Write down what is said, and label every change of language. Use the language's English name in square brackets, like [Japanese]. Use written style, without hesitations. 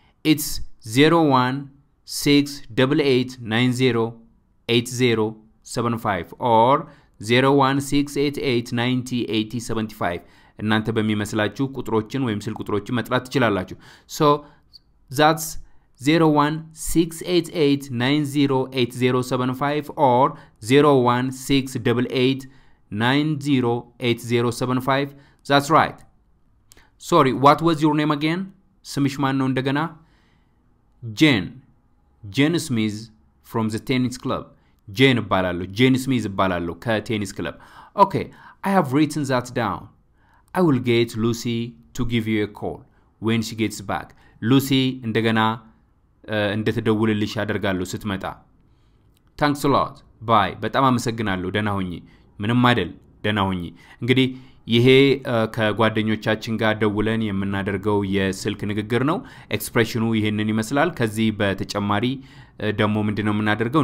[English] it's 0168890805 or 0168890875 [Amharic] እናንተ በሚመስላችሁ ቁጥሮችን ወይም ስልክ ቁጥሮችን መጥራት ትችላላችሁ። [English] so that's 0168890875 or 0168890875. that's right. sorry what was your name again? [Amharic] ስምሽ ማን ነው እንደገና? [English] Jane Smith from the tennis club. [Amharic] ጄን እባላለሁ። ጄን ስሚዝ እባላለሁ ከቴኒስ ክለብ። [English] ኦኬ አይ ሃቭ ሪትን ዛት ዳውን። አይ ዊል ጌት ሉሲ ቱ ጊቭ ዩ አ ኮል ዌን ሺ ጌትስ ባክ። [Amharic] ሉሲ እንደገና እንድትደውልልሽ አደርጋለሁ ስትመጣ። [English] ታንክስ ሎት ባይ። [Amharic] በጣም አመሰግናለሁ። ደህና ሁኚ። ምንም አይደል፣ ደህና ሁኚ። እንግዲህ ይሄ ከጓደኞቻችን ጋር ደውለን የምናደርገው የስልክ ንግግር ነው። ኤክስፕሬሽኑ ይሄንን ይመስላል። ከዚህ በተጨማሪ ደግሞ ምንድነው የምናደርገው?